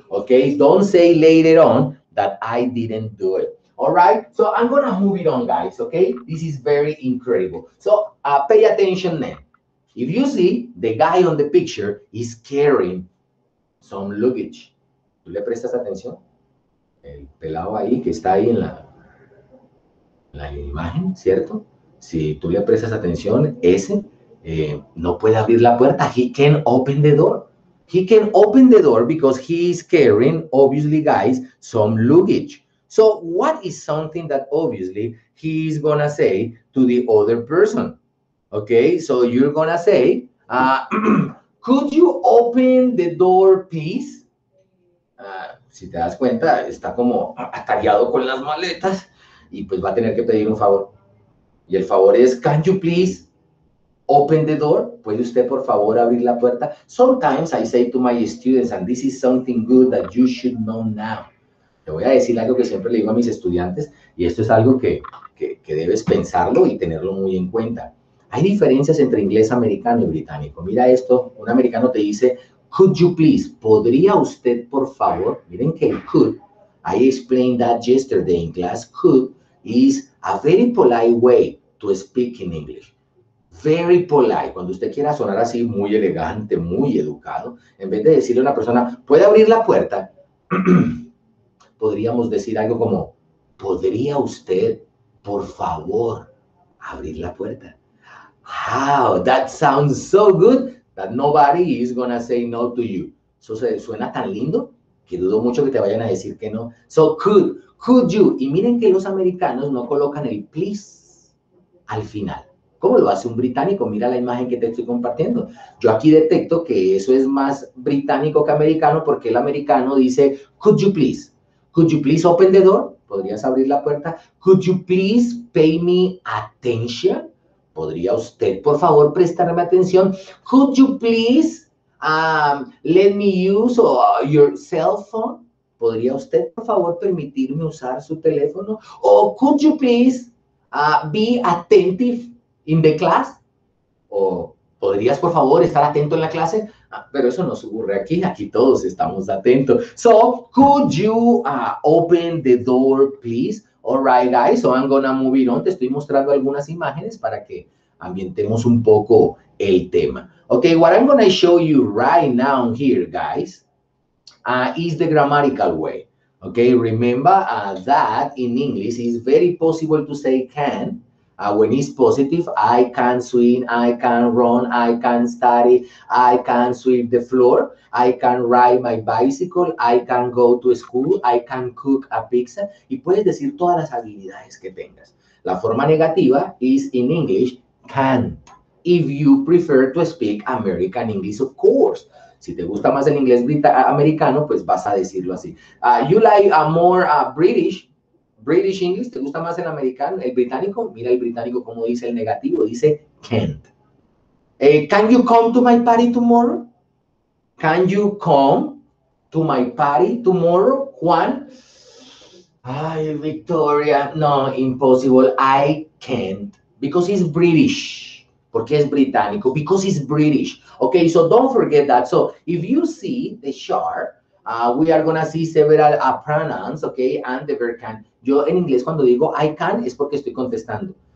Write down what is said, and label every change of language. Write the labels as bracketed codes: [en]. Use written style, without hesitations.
[en] Okay, don't say later on that I didn't do it. All right, so I'm going to move it on, guys, okay? This is very incredible. So pay attention then. If you see, the guy on the picture is carrying some luggage. [es] ¿Tú le prestas atención? El pelado ahí que está ahí en la imagen, ¿cierto? Si tú le prestas atención, ese no puede abrir la puerta. [en] He can open the door. He can open the door because he is carrying, obviously, guys, some luggage. So, what is something that obviously he is going to say to the other person? Okay, so you're going to say, could you open the door, please? [es] Si te das cuenta, está como atareado con las maletas y pues va a tener que pedir un favor. Y el favor es, [en] can you please open the door? [es] ¿Puede usted, por favor, abrir la puerta? [en] Sometimes I say to my students, and this is something good that you should know now. [es] Te voy a decir algo que siempre le digo a mis estudiantes y esto es algo que debes pensarlo y tenerlo muy en cuenta. Hay diferencias entre inglés americano y británico. Mira esto, un americano te dice, [en] could you please, [es] podría usted por favor, miren que el could, [en] I explained that yesterday in class, could is a very polite way to speak in English. Very polite, [es] cuando usted quiera sonar así, muy elegante, muy educado, en vez de decirle a una persona, ¿puede abrir la puerta? Podríamos decir algo como, ¿podría usted, por favor, abrir la puerta? [en] How, that sounds so good that nobody is gonna say no to you. [es] Eso suena tan lindo que dudo mucho que te vayan a decir que no. [en] So, could you? [es] Y miren que los americanos no colocan el please al final. ¿Cómo lo hace un británico? Mira la imagen que te estoy compartiendo. Yo aquí detecto que eso es más británico que americano, porque el americano dice, [en] could you please? Could you please open the door? [es] ¿Podrías abrir la puerta? [en] Could you please pay me attention? [es] ¿Podría usted, por favor, prestarme atención? [en] Could you please let me use your cell phone? [es] ¿Podría usted, por favor, permitirme usar su teléfono? [en] ¿O could you please be attentive in the class? [es] ¿O podrías, por favor, estar atento en la clase? Ah, pero eso no ocurre aquí. Aquí todos estamos atentos. [en] So, could you open the door, please? All right, guys. So, I'm going to move on. [es] Te estoy mostrando algunas imágenes para que ambientemos un poco el tema. [en] Okay, what I'm going to show you right now here, guys, is the grammatical way. Okay, remember that in English it's very possible to say can. When it's positive, I can swim, I can run, I can study, I can sweep the floor, I can ride my bicycle, I can go to school, I can cook a pizza. [es] Y puedes decir todas las habilidades que tengas. La forma negativa [en] is in English, can. If you prefer to speak American English, of course. [es] Si te gusta más el inglés americano, pues vas a decirlo así. [en] You like a more British English, [es] ¿te gusta más el americano, el británico? Mira el británico cómo dice el negativo, dice can't. [en] Can you come to my party tomorrow? Can you come to my party tomorrow, Juan? Ay, Victoria, no, impossible, I can't. Because it's British. [es] ¿Por qué es británico? [en] Because it's British. Okay, so don't forget that. So if you see the chart, we are going to see several pronouns, okay, and the verb can. [es] Yo en inglés cuando digo I can es porque estoy contestando.